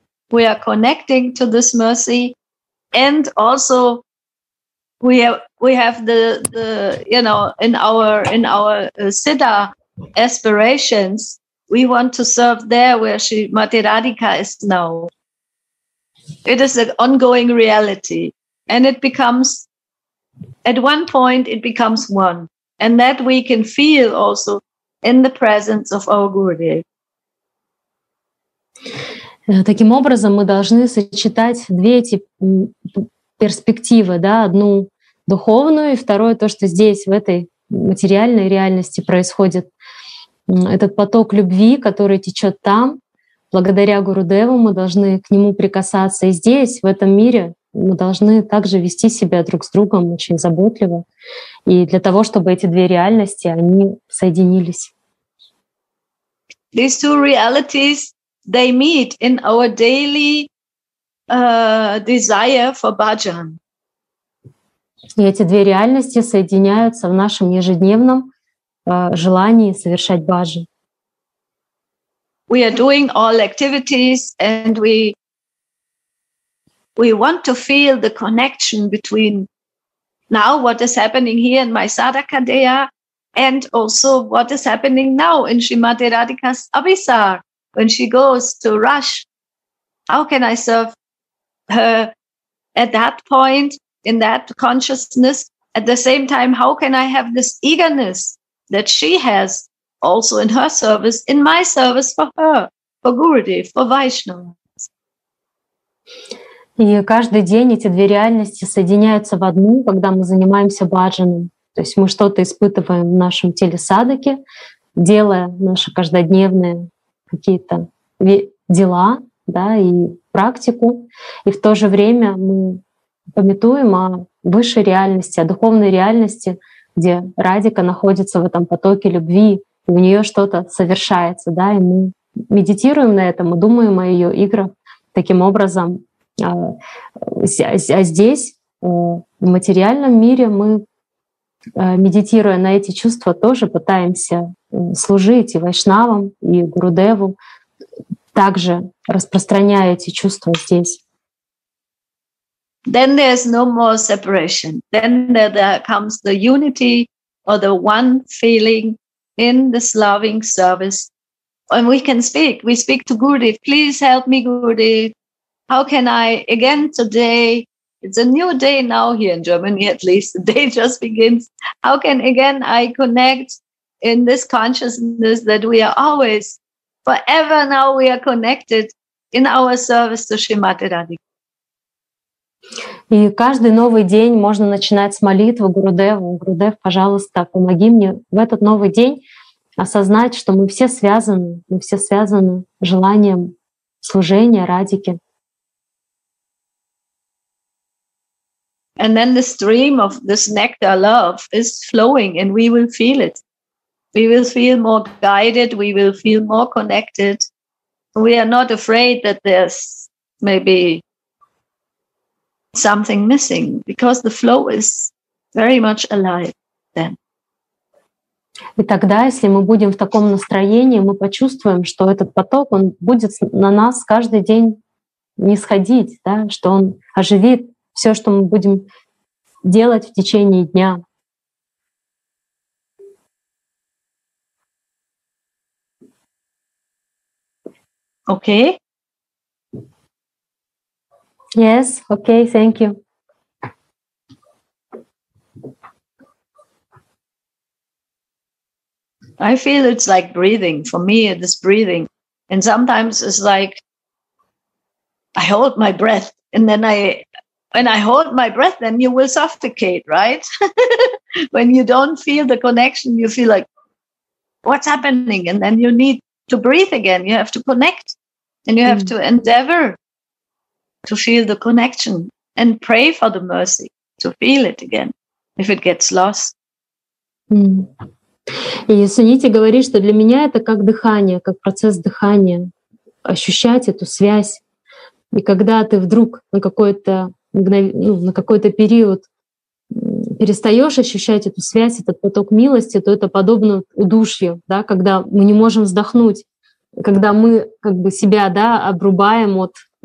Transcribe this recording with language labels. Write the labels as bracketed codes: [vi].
[en] We are connecting to this mercy, and also we have the you know, in our Siddha aspirations, we want to serve there where Srimati Radhika is now. It is an ongoing reality, and it becomes, at one point it becomes one, and that we can feel also in the presence of our Gurudev. [ru] Таким образом, мы должны сочетать две эти перспективы, да, одну духовную и вторую, то, что здесь, в этой материальной реальности происходит. Этот поток любви, который течет там, благодаря Гурудеву мы должны к нему прикасаться. И здесь, в этом мире, мы должны также вести себя друг с другом очень заботливо. И для того, чтобы эти две реальности, они соединились. [en] These two realities, they meet in our daily desire for bhajan. [ru] И эти две реальности соединяются в нашем ежедневном желании совершать бхаджан. [en] We are doing all activities and we want to feel the connection between now what is happening here in my sadhaka daya and also what is happening now in Srimati Radhika's abhisar. When she goes to Rush, how can I serve her at that point, in that consciousness? At the same time, how can I have this eagerness that she has also in her service, in my service for her, for Gurudev, for Vaishnavas? [ru] И каждый день эти две реальности соединяются в одну, когда мы занимаемся бхаджаном. То есть мы что-то испытываем в нашем теле садаке, делая наше каждодневное какие-то дела, да, и практику. И в то же время мы памятуем о высшей реальности, о духовной реальности, где Радика находится в этом потоке любви, и у нее что-то совершается, да, и мы медитируем на этом, мы думаем о ее играх таким образом. А здесь, в материальном мире, мы, медитируя на эти чувства, тоже пытаемся служить и вайшнавам, и Гурудеву, также распространяя эти чувства здесь. [en] Then there's no more separation. Then there comes the unity or the one feeling in this loving service. And we can speak. We speak to Gurudev. Please help me, Gurudev. How can I again today? It's a new day now here in Germany, at least. The day just begins. How can again I connect in this consciousness that we are always, forever now we are connected in our service to Srimati Radhika? [ru] И каждый новый день можно начинать с молитвы Гурудеву. Гурудев, пожалуйста, помоги мне в этот новый день осознать, что мы все связаны желанием служения Радике. [en] And then the stream of this nectar love is flowing and we will feel it. We will feel more guided, we will feel more connected. We are not afraid that there's maybe something missing, because the flow is very much alive then. [ru] И тогда, если мы будем в таком настроении, мы почувствуем, что этот поток, он будет на нас каждый день нисходить, да? Что он оживит все, что мы будем делать в течение дня. [en] Okay. Yes, okay, thank you. I feel it's like breathing. For me, it is breathing. And sometimes it's like I hold my breath, and then when I hold my breath, then you will suffocate, right? When you don't feel the connection, you feel like, what's happening? And then you need to breathe again. You have to connect, and you have to endeavor to feel the connection and pray for the mercy to feel it again if it gets lost. Mm. [ru] И Суните говорит, что для меня это как дыхание, как процесс дыхания, ощущать эту связь. И когда ты вдруг на какой-то период перестаешь ощущать эту связь, этот поток милости, то это подобно удушью, да, когда мы не можем вздохнуть, когда мы как бы себя, да, обрубаем от